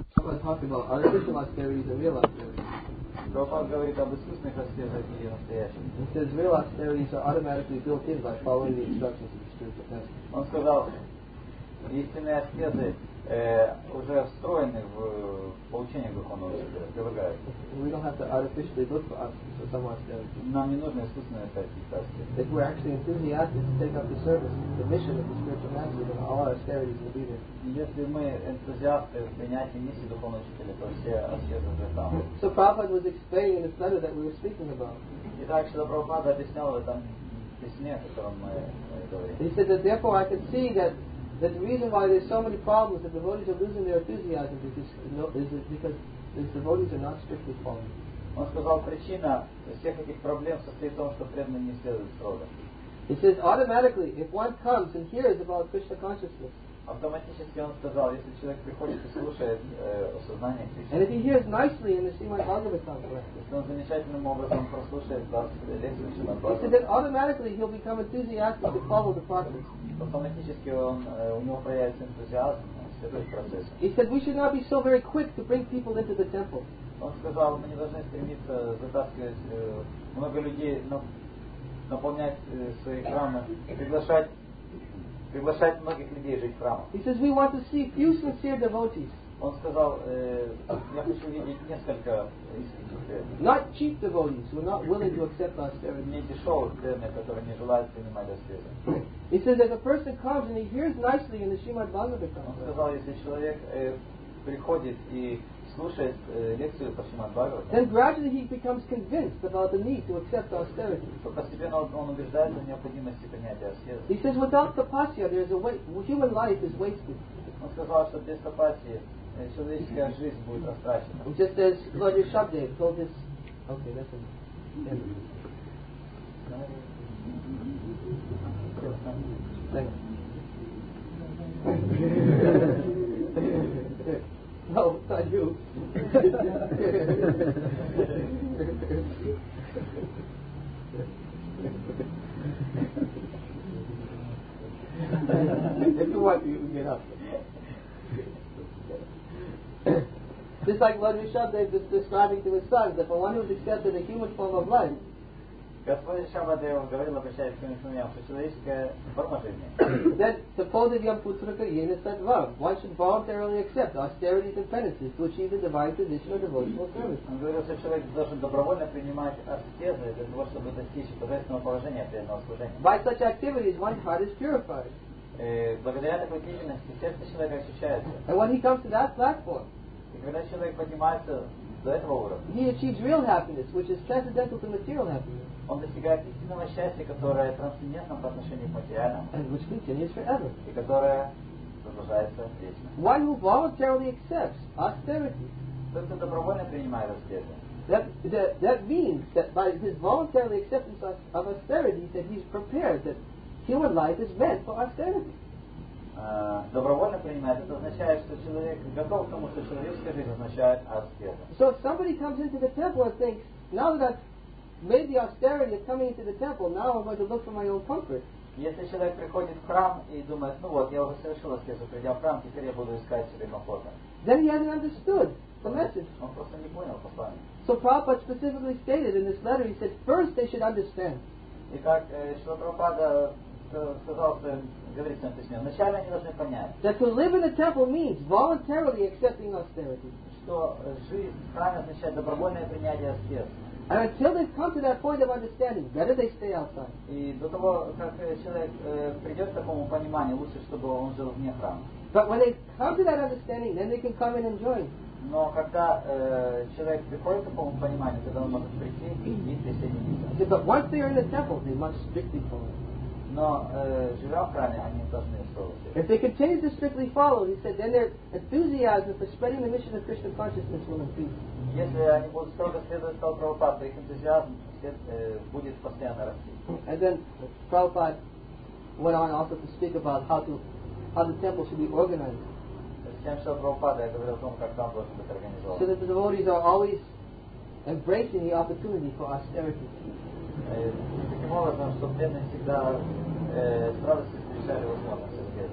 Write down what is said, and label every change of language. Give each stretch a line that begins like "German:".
English: Someone talked about artificial austerity is a real austerity. He says real austerities are automatically built in by following the instructions of the spiritual master.
Russian: Он сказал, истинные аскезы уже встроены в получение духовного света.
English: We don't have to artificially look for some austerities.
Russian: Нам не нужно искусственные аскезы.
English: If we're actually enthusiastic to take up the service, the mission of the spiritual master, then all our austerities will be there.
Russian: Если мы энтузиасты в принятии миссии духовного учителя, то все аскезы уже там.
English: So Prabhupada was explaining in this letter that we were speaking about.
Russian: Итак, Шрила Прабхупада объяснял в этом письме, о котором мы говорили.
English: He said that therefore I could see that the reason why there's so many problems, that devotees are losing their enthusiasm, is because devotees are not strictly following.
Russian: Он сказал, причина всех этих проблем состоит в том, что преданные не следуют строго.
English: He says, automatically, if one comes and hears about Krishna consciousness,
Russian: автоматически он сказал, если человек приходит и слушает осознание Кришны.
English: And if he hears nicely in the Srimad Bhagavatam,
Russian: если он замечательным образом прослушает лекцию Srimad Bhagavatam,
English: then automatically he'll become enthusiastic to follow the process.
Russian: Автоматически он у него появится энтузиазм следовать процессу.
English: He said we should not be so very quick to bring people into the temple.
Russian: Он сказал, мы не должны стремиться затаскивать много людей, наполнять свои храмы, приглашать многих людей жить в храмах.
English: He says we want to see few sincere devotees.
Russian: Он сказал, я хочу видеть несколько искренних.
English: Not cheap devotees who are not willing to accept austerity.
Russian: Не дешевых преданных, которые не желают принимать аскезу.
English: He says if a person comes and he hears nicely in the Srimad Bhagavatam.
Russian: Он сказал, если человек приходит и слушает лекцию по Srimad Bhagavatam.
English: Then gradually he becomes convinced about the need to accept austerity.
Russian: Постепенно он убеждается в необходимости принятия аскезы.
English: He says without tapasya there is a waste. Human life is wasted.
Russian: Он сказал, что без тапасии человеческая жизнь будет растрачена.
English: He just says, Lord Yashodev told this. Okay, that's it. No, not you. If you want, you can get up. Just like Lord Yashodev is describing to his son, that for one who's accepted a human form of life,
Russian: Господь Шамадев говорил, обращаясь к своим сыновьям, что человеческая форма жизни.
English: That supposed to be a putraka yena sattvam. One should voluntarily accept austerities and penances to achieve the divine position of devotional service.
Russian: Он говорил, что человек должен добровольно принимать аскезы для того, чтобы достичь божественного положения преданного служения.
English: By such activities, one's heart is purified.
Russian: Благодаря такой деятельности сердце человека очищается.
English: And when he comes to that platform,
Russian: и когда человек поднимается до этого уровня,
English: he achieves real happiness, which is transcendental to material happiness.
Russian: Он достигает истинного счастья, которое трансцендентно по отношению к материальному.
English: And which continues forever.
Russian: И которое продолжается вечно.
English: One who voluntarily accepts austerity.
Russian: Тот, кто добровольно принимает аскезу.
English: That means that by his voluntarily acceptance of austerity, that he's prepared that human life is meant for austerity.
Russian: Добровольно принимает, это означает, что человек готов к тому, что человеческая жизнь означает аскезу.
English: So if somebody comes into the temple and thinks, now that I've made the austerity of coming into the temple, now I'm going to look for my own comfort.
Russian: Если человек приходит в храм и думает, ну вот, я уже совершил аскезу, придя в храм, теперь я буду искать себе комфорта.
English: Then he hasn't understood the message.
Russian: Он просто не понял послание.
English: So Prabhupada specifically stated in this letter, he said, first they should understand.
Russian: Итак, Шрила Прабхупада сказал, что говорит в своем письме, вначале они должны понять.
English: That to live in a temple means voluntarily accepting austerity.
Russian: Что жизнь в храме означает добровольное принятие аскезы.
English: And until they've come to that point of understanding, better they stay outside.
Russian: И до того, как человек придет к такому пониманию, лучше, чтобы он жил вне храма.
English: But when they come to that understanding, then they can come in and join.
Russian: Но когда человек приходит к такому пониманию, тогда он может прийти и присоединиться.
English: But once they are in the temple, they must strictly follow.
Russian: Но живя в храме, они должны слушать.
English: If they continue to strictly follow, he said, then their enthusiasm for spreading the mission of Krishna consciousness will increase.
Russian: Если они будут строго следовать Шриле Прабхупаде, их энтузиазм будет постоянно расти.
English: And then Prabhupada went on also to speak about how the temple should be organized.
Russian: Затем Шриле Прабхупаде говорил о том, как там должен быть организован.
English: So that the devotees are always embracing the opportunity for austerity.
Russian: Таким образом, чтобы преданные всегда с радостью встречали возможность.